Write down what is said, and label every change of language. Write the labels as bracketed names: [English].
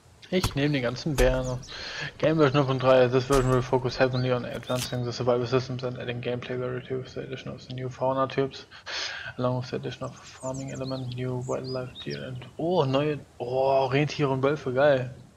[German] Ich nehme die ganzen Bären. [English] Gameboy 0.3, this version will focus heavily on advancing the survival systems and adding gameplay variety with the addition of the new fauna types. Along with the addition of farming element, new wildlife deer and. [German] Oh, neue. Oh, Rentiere und Wölfe, geil.